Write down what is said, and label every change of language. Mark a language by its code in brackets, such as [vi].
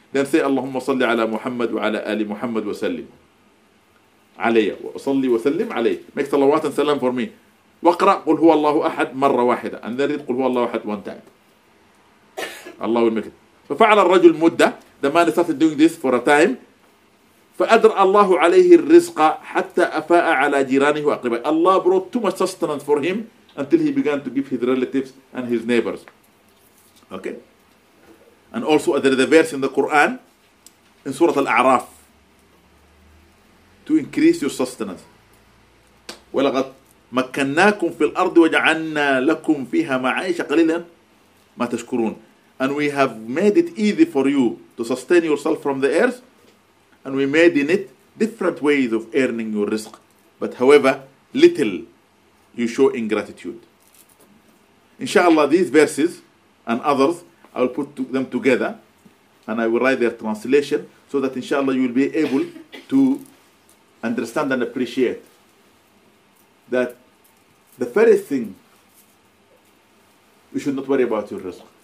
[ar] Then say, اللهم صلِّ عَلَى مُحَمَّدْ وَعَلَى آلِ مُحَمَّدْ وَسَلِّمْ عَلَيَّ وَصَلِّي وَسَلِّمْ عَلَيَّ. [en] Make salawat and salam for me. [ar] وَقْرَأْ قُلْ هُوَ اللَّهُ أَحَدْ مَرَّ وَاحِدَةً. [en] And then read, [ar] قُلْ هُوَ اللَّهُ أَحَدْ [en] one time. Allah will make it. [ar] ففعل الرجل مدة. [en] The man started doing this for a time. [ar] فأدر الله عليه الرزق حتى أفاء على جيرانه وأقربائه. [en] Allah brought too much sustenance for him until he began to give his relatives and his neighbors. Okay. And also there is a verse in the Quran, in Surah Al-A'raf, to increase your sustenance. [ar] ولقد مكناكم في الأرض وجعلنا لكم فيها معيشة قليلا ما تشكرون. [en] And we have made it easy for you to sustain yourself from the earth, and we made in it different ways of earning your rizq. But however little you show ingratitude. Inshallah, these verses and others, I will put them together and I will write their translation so that inshallah you will be able to understand and appreciate that the first thing, you should not worry about your rizq.